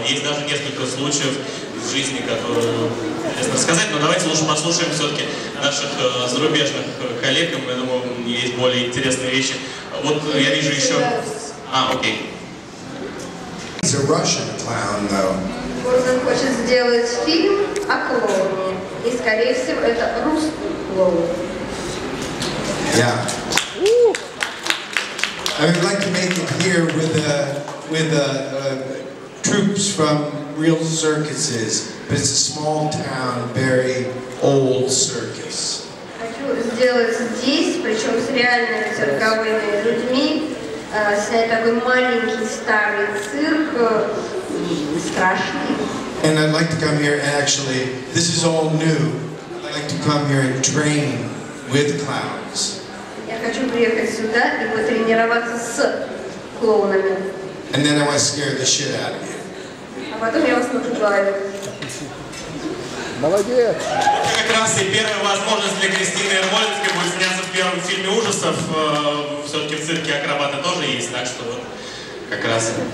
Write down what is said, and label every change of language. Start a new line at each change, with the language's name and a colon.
Russian: Есть даже несколько случаев в жизни, которые интересно рассказать. Но давайте лучше послушаем все-таки наших зарубежных коллег. Я думаю, есть более интересные вещи. Вот я вижу еще. А, окей.
English: It's a Russian clown, though.
Russian: Борзан хочет сделать фильм о клоуне. И, скорее всего, это русский клоун.
English: Yeah. I would like to make it here with troops from real circuses. But it's a small town, very old circus.
Russian: Хочу сделать здесь, причем с реальными цирковыми людьми, снять такой маленький старый цирк.
English: And I'd like to come here and actually, this is all new. I'd like to come here and train with clowns.
Russian: Я хочу приехать сюда и потренироваться с клоунами.
English: And then I want to scare the shit out of you.
Russian: А потом я вас напугаю. Молодец! Как раз и первая возможность для Кристины Эрмольдской будет сняться в первом фильме ужасов. Все-таки в цирке акробаты тоже есть, так что вот как раз.